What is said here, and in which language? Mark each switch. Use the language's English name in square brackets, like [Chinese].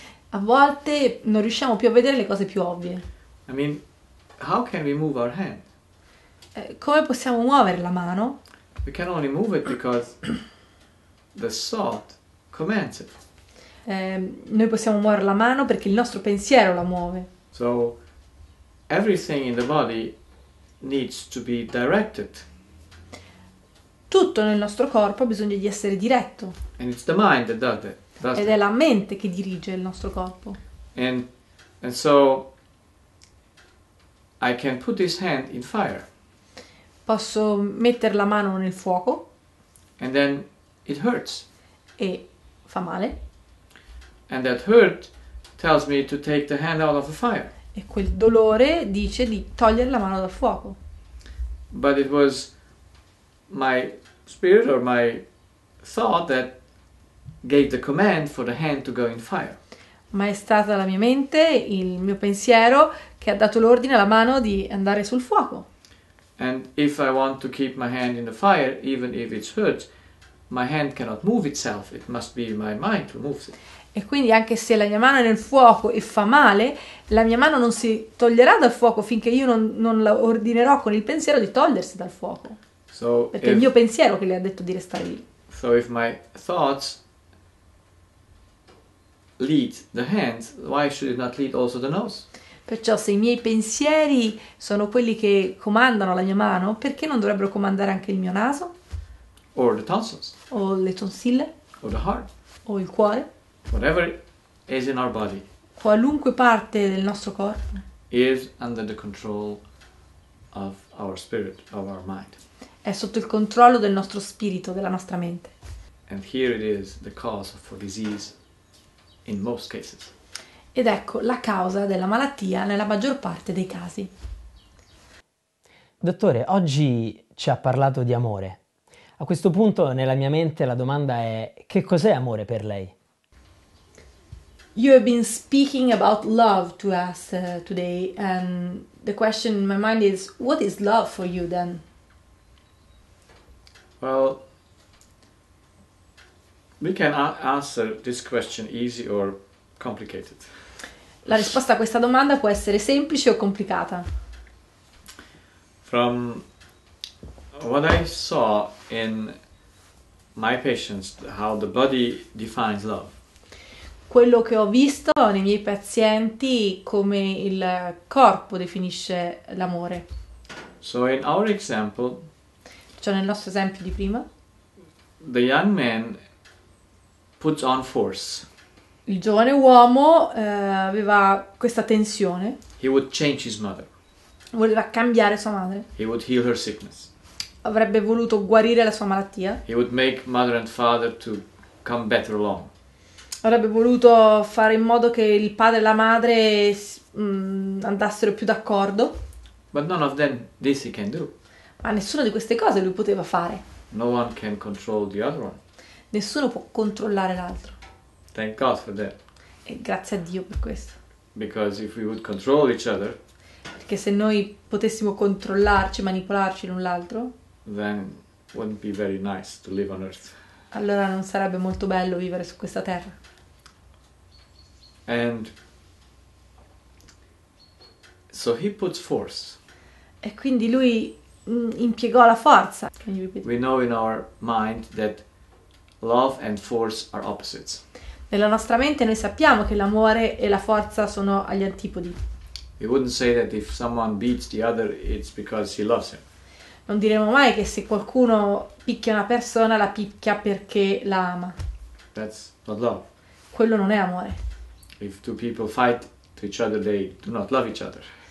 [Italian] A volte non riusciamo più a vedere le cose più ovvie. [English] I mean, how can we move our hand? [Italian] Come possiamo muovere la mano? [English] We can only move it because the thought commands it. [Italian] Noi possiamo muovere la mano perché il nostro pensiero la muove. [English] So, everything in the body needs to be directed. [Italian] Tutto nel nostro corpo ha bisogno di essere diretto. [English] And it's the mind that does it. [Italian] Ed è la mente che dirige il nostro corpo. [English] And so, I can put this hand in fire. [Italian] Posso mettere la mano nel fuoco. [English] And then it hurts. [Italian] E fa male. [English] And that hurt tells me to take the hand out of the fire. [Italian] E quel dolore dice di togliere la mano dal fuoco. [English] But it was my spirit or my thought that gave the command for the hand to go in fire. [Italian] Ma è stata la mia mente, il mio pensiero, che ha dato l'ordine alla mano di andare sul fuoco. [English] And if I want to keep my hand in the fire, even if it's hurt, my hand cannot move itself. It must be my mind who moves it. [Italian] E quindi anche se la mia mano è nel fuoco e fa male, la mia mano non si toglierà dal fuoco finché io non la ordinerò con il pensiero di togliersi dal fuoco. [English] So [Italian] Perché è il mio pensiero che le ha detto di restare [English] if my thoughts lead the hands, why should it not lead also the nose? [Italian] Perciò se i miei pensieri sono quelli che comandano la mia mano, perché non dovrebbero comandare anche il mio naso? [English] Or the tonsils, [Italian] O le tonsille? [English] or the heart, [Italian] O il cuore? [English] whatever is in our body [Italian] Qualunque parte del nostro corpo [English] is under the control of our spirit, of our mind. [Italian] è sotto il controllo del nostro spirito, della nostra mente. [English] And here it is the cause for disease in most cases. [Italian] Ed ecco la causa della malattia nella maggior parte dei casi. Dottore, oggi ci ha parlato di amore. A questo punto, nella mia mente, la domanda è: che cos'è amore per lei? [English] You have been speaking about love to us today, and the question in my mind is, what is love for you then? Well, we can answer this question easy or complicated. [Italian] La risposta a questa domanda può essere semplice o complicata. [English] From what I saw in my patients, how the body defines love. [Italian] Quello che ho visto nei miei pazienti, come il corpo definisce l'amore. [English] So in our example, [Italian] Cioè nel nostro esempio di prima, il [English] the young man puts on force. [Italian] giovane uomo aveva questa tensione, [English] He would change his mother. [Italian] voleva cambiare sua madre, [English] He would heal her sickness. [Italian] avrebbe voluto guarire la sua malattia. [English] He would make mother and father to come better along. [Italian] Avrebbe voluto fare in modo che il padre e la madre andassero più d'accordo. [English] But none of them, this he can do. [Italian] Ma nessuna di queste cose lui poteva fare. [English] No one can control the other one. [Italian] Nessuno può controllare l'altro. [English] Thank God for that. [Italian] E grazie a Dio per questo. [English] Because if we would control each other, [Italian] Perché se noi potessimo controllarci, manipolarci l'un l'altro, [English] then wouldn't be very nice to live on Earth. [Italian] allora non sarebbe molto bello vivere su questa terra. [English] And so he puts force. [Italian] E quindi lui impiegò la forza. [English] Can you We know in our mind that love and force are opposites. [Italian] Nella nostra mente noi sappiamo che l'amore e la forza sono agli antipodi. [English] We wouldn't say that if someone beats the other, it's because he loves him. [Italian] Non diremo mai che se qualcuno picchia una persona, la picchia perché la ama. Quello [English] That's not love. [Italian] non è amore. [English] If two people fight to each other, they do not love each other.